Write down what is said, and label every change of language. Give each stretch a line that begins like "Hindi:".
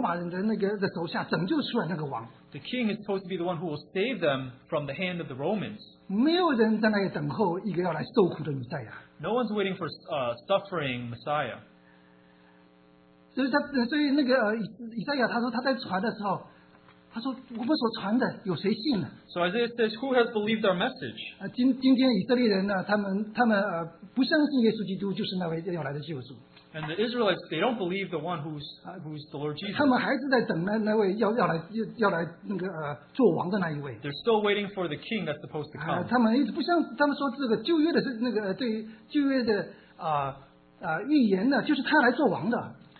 Chinese: 要等候的是那位把他们要从外邦人，特别是罗马人的那个的手下拯救出来那个王。
English: The king is supposed to be the one who will save them from the hand of the Romans.
Chinese: 没有人在那里等候一个要来受苦的弥赛亚。
English: No one's waiting for a suffering Messiah.
Chinese: 所以那个以赛亚他说他在传的时候。他说我们所传的有谁信呢?
English: So Isaiah says, who has believed our message?
Chinese: 今天以色列人呢，他们不相信耶稣基督就是那位要来的救主。
English: And the Israelites, they don't believe the one who's the Lord Jesus.
Chinese: 他们还是在等那位要来做王的那一位。
English: They're still waiting for the king that's supposed to come.
Chinese: 他们一直不相信，他们说这个旧约的那个对旧约的预言呢，就是他来做王的。